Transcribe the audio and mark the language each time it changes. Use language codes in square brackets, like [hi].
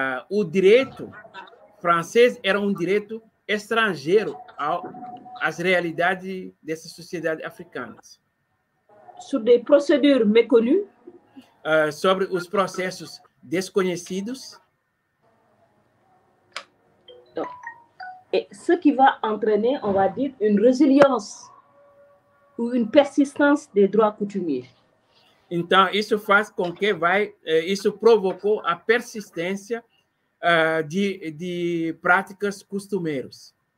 [pt] O direito francês era direito estrangeiro às realidades dessas sociedades africanas. [fr] Sur des procédures méconnues. [pt] Sobre os processos desconhecidos. [fr] Et ce qui va entraîner, on va dire, une résilience ou une persistance des droits coutumiers. [pt] Então, isso faz com que isso provocou a persistência de práticas costumeiras.